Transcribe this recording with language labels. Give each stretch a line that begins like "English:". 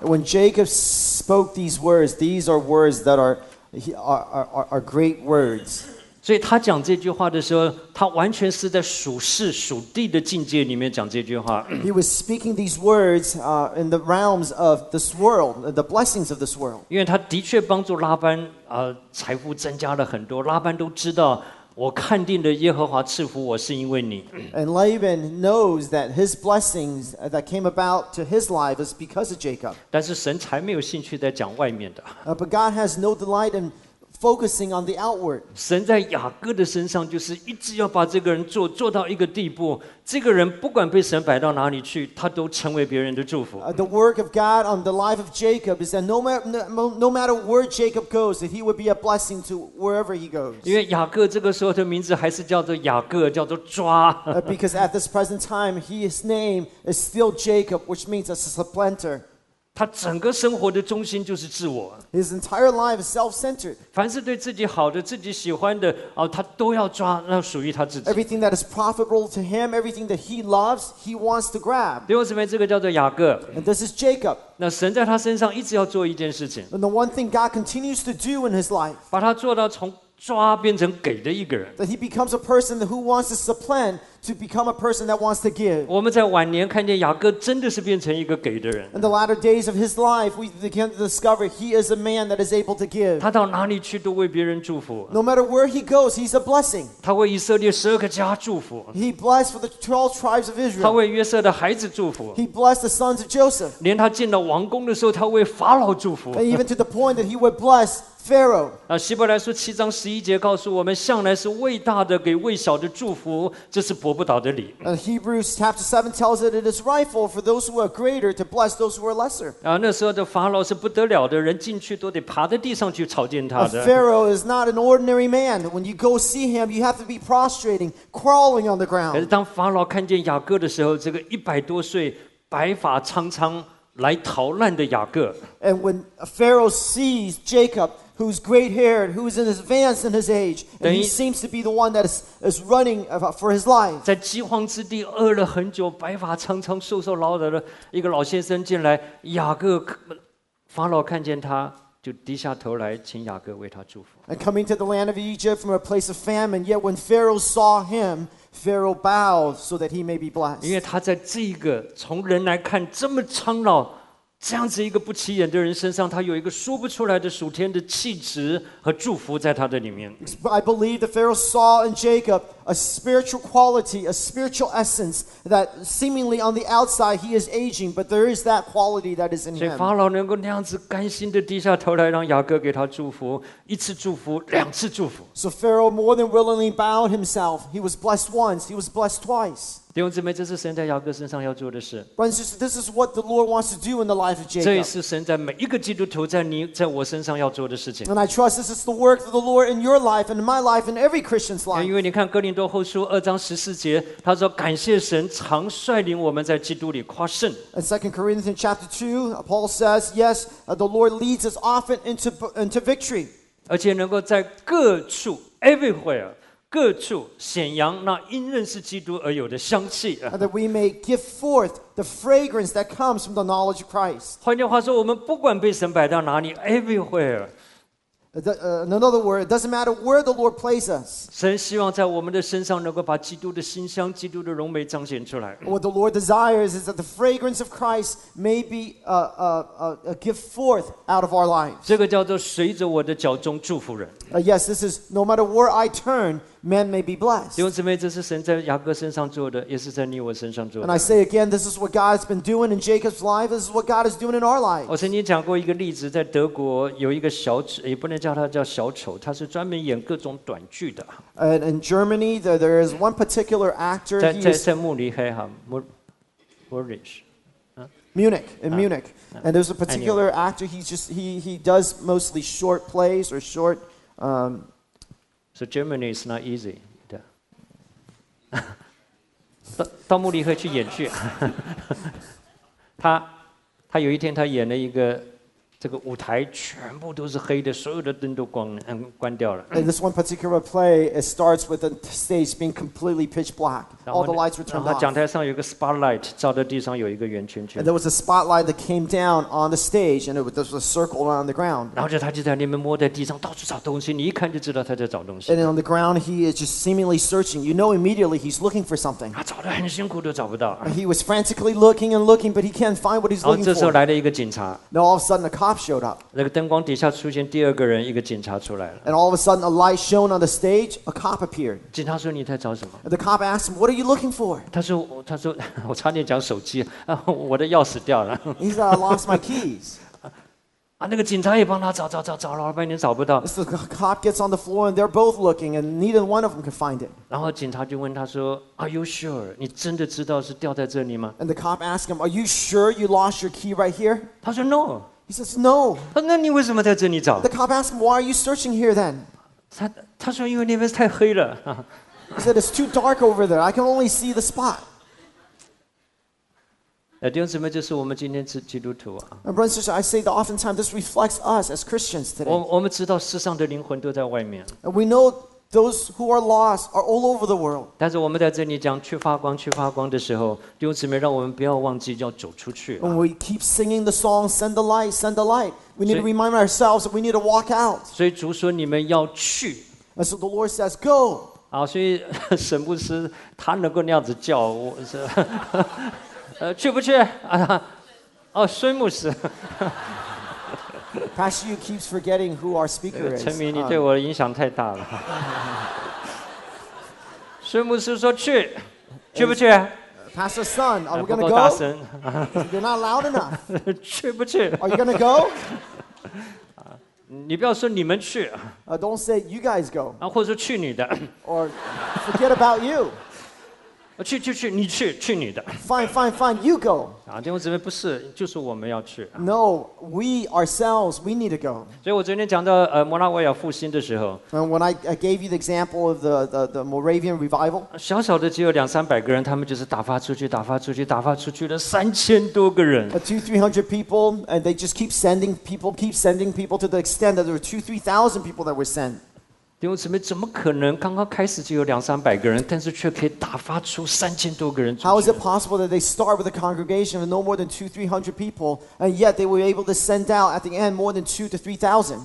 English: When Jacob spoke these are words that are great words.
Chinese: 所以他讲这句话的时候，他完全是在属世属地的境界里面讲这句话。
English: He was speaking these words in the realms of this world, the blessings of this world.
Chinese: 因为他的确帮助拉班财富增加了很多，拉班都知道。我看定的耶和华赐福我是因为你。
English: And Laban knows that his blessings that came about to his life is because of Jacob.
Chinese: 但是神才没有兴趣在讲外面的。
English: But God has no delight in focusing on the outward.
Chinese: 神在雅各的身上就是一直要把这个人做到一个地步，这个人不管被神摆到哪里去，他都成为别人的祝福。
English: The work of God on the life of Jacob is that no matter where Jacob goes, that he would be a blessing to wherever he goes.
Chinese: 因为雅各这个时候的名字还是叫做雅各，叫做抓。
English: Because at this present time, his name is still Jacob, which means a supplanter.
Chinese: 他整个生活的中心就是自我。
English: His entire life is self-centered.
Chinese: 凡是对自己好的、自己喜欢的，他都要抓，那属于他自己。
English: Everything that is profitable to him, everything that he loves, he wants to grab.
Chinese: 弟兄姊妹，这个叫做雅各。
English: And this is Jacob.
Chinese: 那神在他身上一直要做一件事情。
English: And the one thing God continues to do in his life.
Chinese: 把他做到从抓变成给的一个人。
English: That he becomes a person who wants to supplant to become a person that wants to give.
Chinese: 我们在晚年看见雅各真的是变成一个给的人。
English: In the latter days of his life, we begin to discover he is a man that is able to give.
Chinese: 他到哪里去都为别人祝福。
English: No matter where he goes, he's a blessing.
Chinese: 他为以色列十二个家祝福。
English: He blessed for the 12 tribes of Israel.
Chinese: 他为约瑟的孩子祝福。
English: He blessed the sons of Joseph.
Chinese: 连他进了王宫的时候，他为法老祝福。
English: And even to the point that he would bless. Pharaoh.
Chinese: 希伯来书七章十一节告诉我们，向来是为大的给为小的祝福，这是驳不倒的理。
English: Hebrews chapter 7 tells it it is rightful for those who are greater to bless those who are lesser.
Chinese: 那时候的法老是不得了的，人进去都得爬在地上去朝见他的。
English: Pharaoh is not an ordinary man. When you go see him, you have to be prostrating, crawling on the ground.
Chinese: 可是当法老看见雅各的时候，这个一百多岁，白发苍苍来逃难的雅各。
English: And when Pharaoh sees Jacob. Who's great-haired, who's in advance in his age, and he seems to be the one that is running for his life.
Chinese: 在饥荒之地饿了很久，白发苍苍、瘦瘦老老的一个老先生进来，雅各法老看见他，就低下头来请雅各为他祝福。
English: And coming to the land of Egypt from a place of famine, yet when Pharaoh saw him, Pharaoh bowed so that he may be blessed.
Chinese: 因为他在这个从人来看这么苍老。这样子一个不起眼的人身上，他有一个说不出来的属天的气质和祝福在他的里面。
English: I believe the Pharaoh saw in Jacob a spiritual quality, a spiritual essence that seemingly on the outside he is aging, but there is that quality that is in him.
Chinese: 所以法老能够那样子甘心的低下头来让雅各给他祝福，一次祝福，两次祝福。
English: So Pharaoh more than willingly bowed himself. He was blessed once. He was blessed twice.
Chinese: 弟兄姊妹，这是神在雅各身上要做的事。
English: This is what the Lord wants to do in the life of Jacob.
Chinese: 这也是神在每一个基督徒在你在我身上要做的事情。
English: And I trust this is the work of the Lord in your life and in my life and every Christian's life.
Chinese: 因为你看哥林多后书二章十四节，他说感谢神常率领我们在基督里夸胜。
English: In 2 Corinthians chapter 2, Paul says, "Yes, the Lord leads us often into victory."
Chinese: 而且能够在各处
English: everywhere.
Chinese: 各处显扬那因认识基督而有的香气
English: that we may give forth the fragrance that comes from the knowledge of Christ.
Chinese: 换句话说，我们不管被神摆到哪里 ，
English: everywhere. In another word, it doesn't matter where the Lord places us.
Chinese: 神希望在我们的身上能够把基督的馨香、基督的荣美彰显出来。
English: What the Lord desires is that the fragrance of Christ may be give forth out of our lives.
Chinese: 这个叫做随着我的脚中祝福人。
English: Yes, this is no matter where I turn. Men may be blessed.
Chinese: 弟兄姊妹，这是神在雅各身上做的，也是在你我身上做的。
English: And I say again, this is what God has been doing in Jacob's life. This is what God is doing in our lives.
Chinese: 我曾经讲过一个例子，在德国有一个小丑，也不能叫他叫小丑，他是专门演各种短剧的。
English: And in Germany, there is one particular actor.
Chinese: 在慕尼黑哈 ，
English: Munich. Munich in Munich. And there's a particular actor. He does mostly short plays or short. So Germany is not easy.
Chinese: 到慕尼黑去演剧，他有一天他演了一个这个舞台全部都是黑的，所有的灯都 关掉了。
English: In this one particular play, it starts with the stage being completely pitch black. All the lights were turned off.
Chinese: 然后讲台上有一个 spotlight 照在地上，有一个圆圈圈。
English: And there was a spotlight that came down on the stage, and there was a circle around the ground.
Chinese: 然后就他就在那边摸在地上，到处找东西。你一看就知道他在找东西。
English: And on the ground, he is just seemingly searching. You know immediately he's looking for something.
Chinese: 他找得很辛苦都找不到。
English: He was frantically looking and looking, but he can't find what he's looking for.
Chinese: 然后这时候来了一个警察。
English: Now all of a sudden a cop showed up.
Chinese: 那个灯光底下出现第二个人，一个警察出来了。
English: And all of a sudden a light shone on the stage, a cop appeared.
Chinese: 警察说你在找什么？
English: And the cop asked him, what are you looking for?
Chinese: 他说我差点讲手机，我的钥匙掉了。
English: He said, I lost my keys.
Chinese: 啊，那个警察也帮他找了半天找不到。
English: So the cop gets on the floor and they're both looking and neither one of them can find it.
Chinese: 然后警察就问他说 ，
English: Are you sure？
Chinese: 你真的知道是掉在这里吗
English: ？And the cop asked him, Are you sure you lost your key right here？
Chinese: 他说
English: No。 He says No。
Chinese: 那你为什么在这里找
English: ？The cop asked him, Why are you searching here then？
Chinese: 他说因为那边太黑了。
English: He said it's too dark over there. I can only see the spot。
Chinese: 弟兄姊妹，这是我们今天是基督徒啊。
English: My brothers and sisters, I say that oftentimes this reflects us as Christians today.
Chinese: 我们知道世上的灵魂都在外面。
English: And we know those who are lost are all over the world.
Chinese: 但是我们在这里讲去发光，去发光的时候，弟兄姊妹，让我们不要忘记要走出去。
English: When we keep singing the song, send the light, send the light. We need to remind ourselves that we need to walk out.
Chinese: 所以主说你们要去。
English: And so the Lord says, go.
Chinese: 好，所以沈牧师他能够那样子叫我是。去不去啊？哦，孙牧师。
English: Pastor Yu keeps forgetting who our speaker is.
Chinese: 陈明，你对我的影响太大了。孙牧师说去，去不去
English: ？Pastor Sun, are we going to go?
Chinese: 不够大声。
English: You're not loud enough.
Chinese: 去不去
English: ？Are you going to go?
Chinese: 你不要说你们去。
English: Don't say you guys go.
Chinese: 啊，或者说去你的。
English: Or forget about you.
Chinese: 去你去你的。
English: Fine, you go.
Chinese: 弟兄姊妹，不是，就是我们要去。
English: No, we ourselves, we need to go.
Chinese: 所以我昨天讲到摩拉维亚复兴的时候。
English: And when I gave you the example of the Moravian revival.
Chinese: 小小的只有两三百个人，他们就是打发出去，打发出去，打发出去了三千多个人。
English: 2-300 people, and they just keep sending people to the extent that there were 2-3,000 people that were sent.
Chinese: 弟兄姊妹，怎么可能刚刚开始就有两三百个人，但是却可以打发出三千多个人出去
English: ？How is it possible that they start with a congregation of no more than 200-300 people, and yet they were able to send out at the end more than 2-3,000?